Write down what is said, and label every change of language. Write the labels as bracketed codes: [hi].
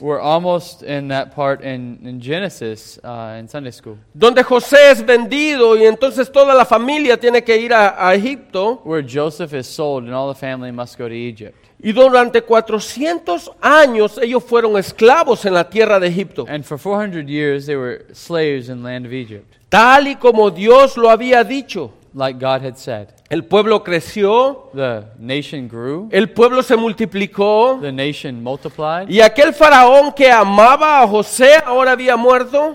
[en] We're almost in that part in Genesis in Sunday school. [es] Donde José es vendido y entonces toda la familia tiene que ir a Egipto. [en] Where Joseph is sold and all the family must go to Egypt. [es] Y durante 400 años ellos fueron esclavos en la tierra de Egipto. [en] And for 400 years they were slaves in the land of Egypt. [es] Tal y como Dios lo había dicho. [en] Like God had said. [es] El pueblo creció. [en] The nation grew. [es] El pueblo se multiplicó. [en] The nation multiplied. [es] Y aquel faraón que amaba a José ahora había muerto.